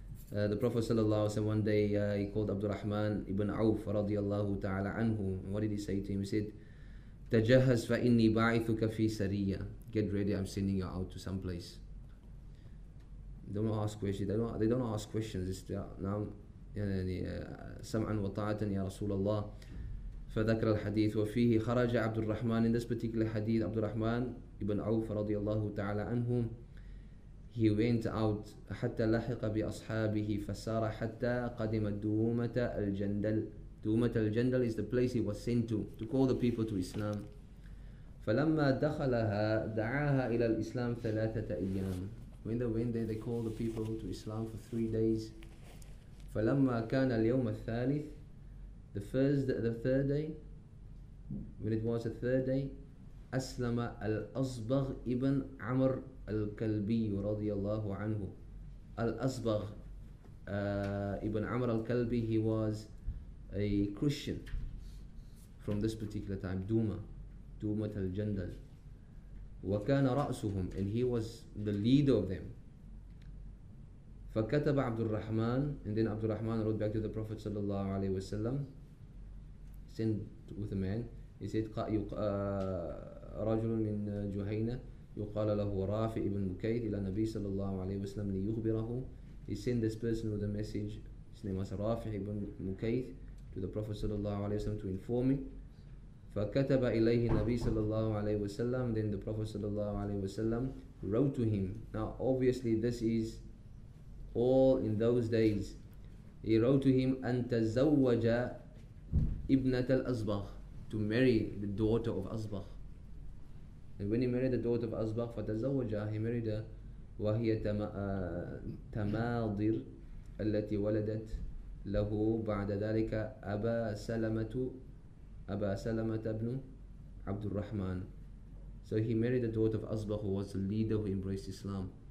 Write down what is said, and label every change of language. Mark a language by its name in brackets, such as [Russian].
[English] The Prophet sallallahu alayhi wa sallam, one day he called Abdurrahman ibn Auf radiyallahu ta'ala anhu. And what did he say to him? He said, [Arabic] Tajahaz fa inni ba'ithuka fi sariya. [English] Get ready, I'm sending you out to some place. They don't ask questions. It's now, [Arabic] سمعًا وطاعةً يا رسول الله. فذكر الحديث وفيه خرج عبد الرحمن. [English] In this particular hadith, [Arabic] عبد الرحمن ابن عوف رضي الله تعالى عنه, [English] he went out [Arabic] حتى لحق بأصحابه فسار حتى قدم دومة الجندل. [English] دومة الجندل is the place he was sent to call the people to Islam. [Arabic] فلما دخلها دعاها إلى الإسلام ثلاثة أيام. [English] When they went there, they called the people to Islam for 3 days. [Arabic] فَلَمَّا كَانَ الْيَوْمَ الثَّالِثِ, [English] the third day, when it was the third day, [Arabic] أَسْلَمَ الْأَصْبَغْ ibn Amr الْكَلْبِيُّ رَضِيَ اللَّهُ عَنْهُ. [English] الْأَصْبَغْ ibn Amr الْكَلْبِيُّ, he was a Christian from this particular time, Duma al-Jandal. [Arabic] وَكَانَ رَأْسُهُمْ, [English] and he was the leader of them. [Arabic] فَكَتَبَ عَبْدُ الرَّحْمَنِ, [English] and then عَبْدُ الرَّحْمَنِ wrote back to the Prophet صلى الله عليه وسلم, sent with a man. He said, [Arabic] رَجُلٌ مِنْ جُهَيْنَةٍ يُقَالَ لَهُ رَافِ إِبْنُ مُكَيْدٍ إِلَى النَّبِي صلى الله عليه وسلم لِيُخْبِرَهُ. [English] He sent this person with a message, his name was رَافِ إِبْنُ مُكَيْدٍ, to the Prophet صلى الله عليه وسلم to inform him. [Arabic] فكتب إليه النبي صلى الله عليه وسلم, [English] then the Prophet صلى الله عليه وسلم wrote to him. Now obviously this is all in those days. He wrote to him [Arabic] أن تزوج ابنة الأصبغ, [English] to marry the daughter of أصبغ. And when he married the daughter of أصبغ, فتزوجها, he married her, [Arabic] وهي تماضر التي ولدت له بعد ذلك أبا سلمة بن عبد الرحمن. [English] So he married the daughter of Asbah, who was the leader who embraced Islam.